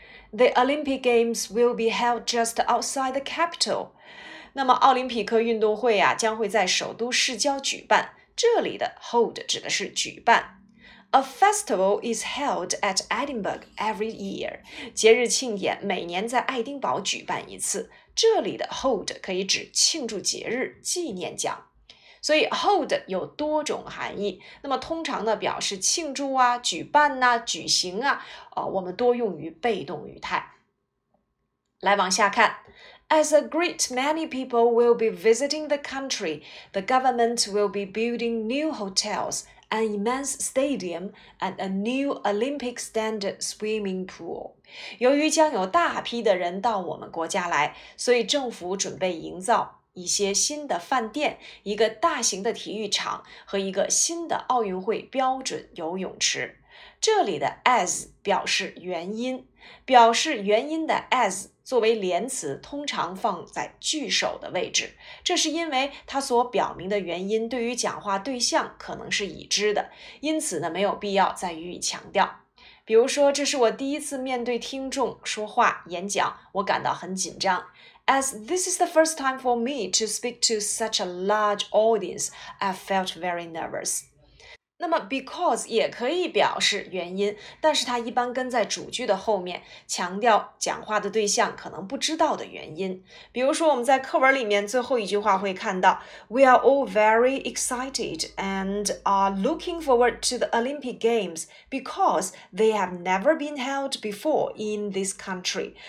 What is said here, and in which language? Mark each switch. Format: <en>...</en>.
<en>The Olympic Games will be held just outside the capital.</en> <zh>那么奥林匹克运动会啊，将会在首都市郊举办。这里的 hold 指的是举办。</zh> <en>A festival is held at Edinburgh every year.</en> <zh>节日庆典每年在爱丁堡举办一次。这里的 hold 可以指庆祝节日、纪念奖。所以 hold 有多种含义。那么通常呢，表示庆祝啊、举办呐、举行啊，我们多用于被动语态。来往下看。</zh> <en>As a great many people will be visiting the country, the government will be building new hotels. An immense stadium and a new Olympic standard swimming pool.</en> <zh>由于将有大批的人到我们国家来，所以政府准备营造一些新的饭店，一个大型的体育场和一个新的奥运会标准游泳池。这里的 as 表示原因，表示原因的 as 作为连词通常放在句首的位置，这是因为它所表明的原因对于讲话对象可能是已知的，因此呢没有必要再予以强调。比如说，这是我第一次面对听众说话演讲，我感到很紧张。</zh> <en>As this is the first time for me to speak to such a large audience, I felt very nervous.</en> <zh>那么 because 也可以表示原因，但是它一般跟在主句的后面，强调讲话的对象可能不知道的原因。比如说我们在课文里面最后一句话会看到</zh> <en>We are all very excited and are looking forward to the Olympic Games because they have never been held before in this country.</en>